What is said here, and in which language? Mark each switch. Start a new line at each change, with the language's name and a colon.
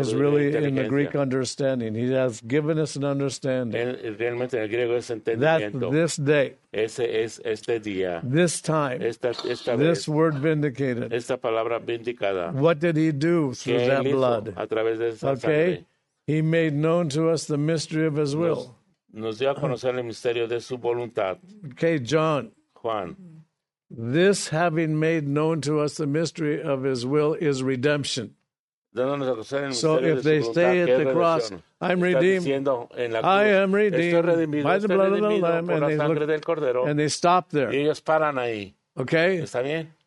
English: is really in the Greek understanding. He has given us an understanding.
Spanish: Realmente en el griego es entendimiento.
English: That this day,
Spanish: ese es este día,
English: this time,
Spanish: esta vez,
English: this word vindicated,
Spanish: esta palabra vindicada,
English: what did he do through that blood?
Spanish: A través de esa
English: okay?
Spanish: sangre.
English: He made known to us the mystery of his will.
Spanish: Nos dio a conocer el misterio de su voluntad.
English: Okay, John.
Spanish: Juan.
English: This having made known to us the mystery of his will is redemption. So if they say at the cross, I'm redeemed, I am redeemed by the blood of the Lamb, and they, look, and they stop there. Okay?